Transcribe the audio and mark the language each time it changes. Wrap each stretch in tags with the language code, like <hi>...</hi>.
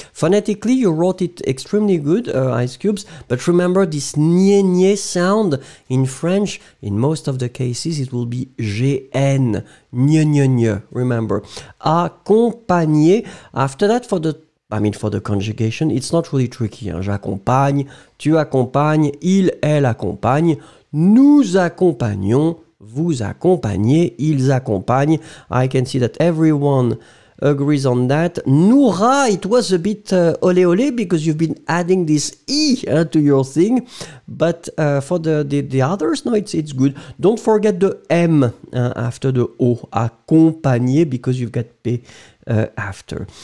<en>Phonetically, you wrote it extremely good, Ice Cubes, but remember this nye nye sound in French, in most of the cases, it will be GN. Nye nye nye. Remember. Accompagné. After that, for the conjugation, it's not really tricky. Hein.</en> <fr>J'accompagne, tu accompagnes, il, elle accompagne, nous accompagnons, vous accompagnez, ils accompagnent.</fr> <en>I can see that everyone agrees on that. Noura, it was a bit ole ole because you've been adding this E to your thing. But for the others, no, it's good. Don't forget the M after the O, accompagné, because you've got P after.</en>